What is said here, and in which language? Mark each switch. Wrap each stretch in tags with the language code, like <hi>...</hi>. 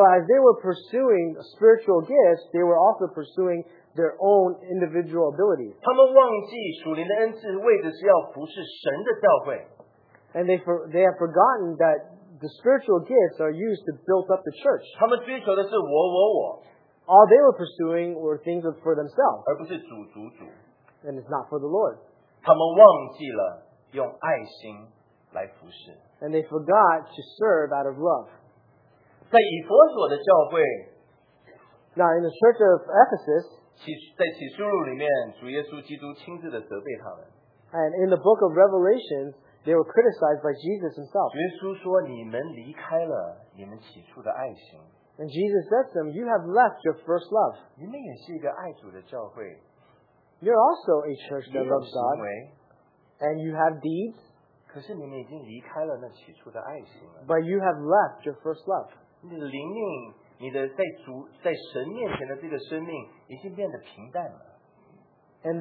<en>as they were pursuing spiritual gifts, they were also pursuing their own individual abilities.</en> <zh>他们忘记属灵的恩赐为的是要服侍神的教会。</zh> <en>And they have forgotten that the spiritual gifts are used to build up the church.</en> <zh>他们追求的是我。</zh> <en>All they were pursuing were things for themselves.</en> <zh>而不是主。</zh> <en>And it's not for the Lord.</en> <zh>他们忘记了用爱心来服侍。</zh> <en>And they forgot to serve out of love.</en> <zh>在以弗所的教会,</zh> <en>Now in the church of Ephesus,</en> <zh>在启示录里面，主耶稣基督亲自的责备他们。</zh> <en>And in the book of Revelation, they were criticized by Jesus himself.</en> <zh>主耶稣说，你们离开了你们起初的爱心。</zh> <en>And Jesus said to them, you have left your first love.</en> <zh>你们也是一个爱主的教会。</zh> <en>You're also a church that loves God, and you have deeds, but you have left your first love.</en> <zh>你的灵命，你的在主在神面前的这个生命已经变得平淡了。</zh> <en>And</en>